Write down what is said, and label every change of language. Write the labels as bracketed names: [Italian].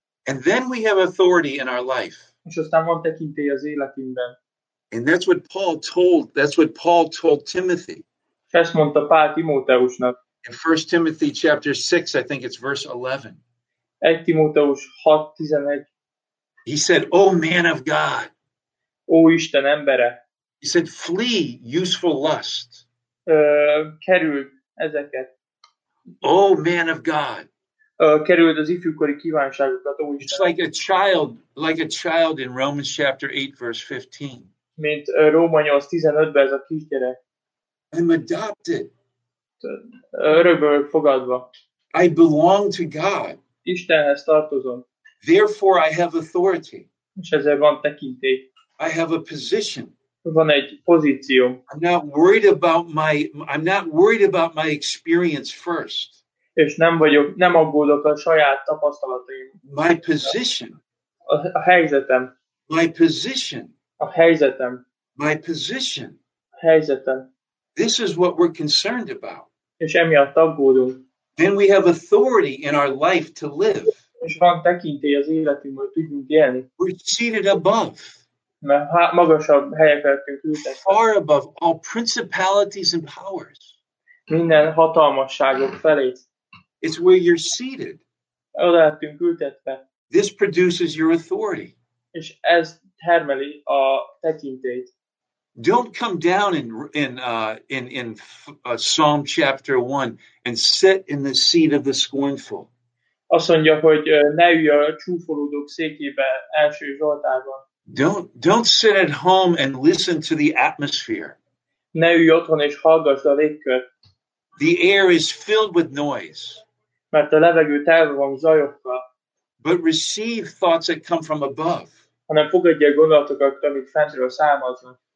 [English] And then we have authority in our life. [Hungarian] És aztán van tekintély az életünkben. [English] And that's what Paul told Timothy. [Hungarian] És ezt mondta Pál Timóteusnak. [English] In 1 Timothy chapter 6, I think it's verse 11. [Hungarian] 1 Timóteus 6:11. [English] He said, "O man of God." [Hungarian] Ó Isten embere. [English] He said, "Flee youthful lust." [Hungarian] Kerüld ezeket. [English] O man of God. [Hungarian] Kerüld az ifjúkori kívánságokat, ó Isten. [English] It's like a child in Romans chapter 8 verse 15. [Hungarian] Mint Róma 8:15-ben ez a kisgyerek. [English] I'm adopted. [Hungarian] Örökből fogadva. [English] I belong to God. [Hungarian] Istenhez tartozom. [English] Therefore I have authority. [Hungarian] És ezért van tekintély. [English] I have a position. [Hungarian] Van egy pozíció. [English] I'm not worried about my experience first. [Hungarian] És nem aggódok a saját tapasztalataim. [English] My position. [Hungarian] A helyzetem. [English] My position. [Hungarian] A helyzetem. [English] My position. [Hungarian] A helyzetem. [English] This is what we're concerned about. [Hungarian] És emiatt aggódunk. [English] Then we have authority in our life to live. [Hungarian] És van tekintély az életünk, hogy tudjunk élni. [English] We're seated above. [Hungarian] Mert magasabb helyekeltünk ültetve. [English] Far above all principalities and powers. [Hungarian] Minden hatalmasságok felé. [English] It's where you're seated. [Hungarian] Oda lettünk ültetve. [English] This produces your authority. [Hungarian] És ez termeli a tekintélyt. [English] Don't come down in Psalm chapter 1 and sit in the seat of the scornful. [Hungarian] Azt mondja, hogy ne ülj a csúfolódók székébe első Zsoltárban. [English] Don't sit at home and listen to the atmosphere. [Hungarian] Ne ülj otthon és hallgass a légkört. [English] The air is filled with noise. [Hungarian] Mert a levegő telve van zajokkal. [English] But receive thoughts that come from above. [Hungarian] Hanem fogadj el gondolatokat, amik fentről származnak.